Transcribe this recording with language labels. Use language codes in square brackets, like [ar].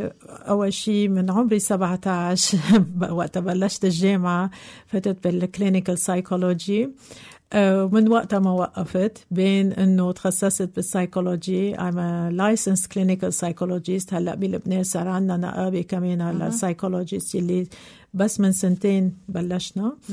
[ar] أول شيء من عمري 17 وقت بلشت الجامعة فتت بالكلينيكال سايكولوجي، من وقتها ما وقفت بين أنه تخصصت بالسايكولوجي. [en] I'm a licensed clinical psychologist. [ar] هلأ بلبنان صار عنا نقابة كمان على السايكولوجيست اللي بس من سنتين بلشنا.